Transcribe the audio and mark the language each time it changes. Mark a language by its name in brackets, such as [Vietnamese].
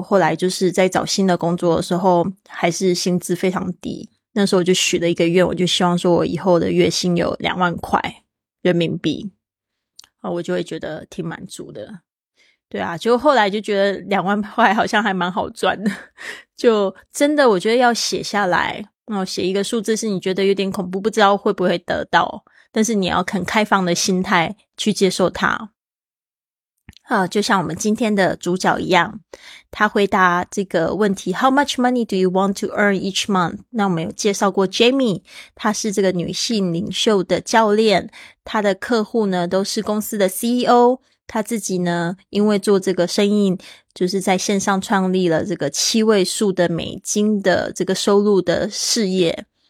[Chinese] 后来就是在找新的工作的时候还是薪资非常低，那时候我就许了一个愿，我就希望说我以后的月薪有20000块人民币，我就会觉得挺满足的。对啊，就后来就觉得20000块好像还蛮好赚的，就真的我觉得要写下来，写一个数字是你觉得有点恐怖，不知道会不会得到，但是你要肯开放的心态去接受它。就像我们今天的主角一样，他回答这个问题 [English] How much money do you want to earn each month? [Chinese] 那我们有介绍过 Jamie， 他是这个女性领袖的教练，他的客户呢都是公司的 CEO， 他自己呢因为做这个生意，就是在线上创立了这个7位数的美金的这个收入的事业。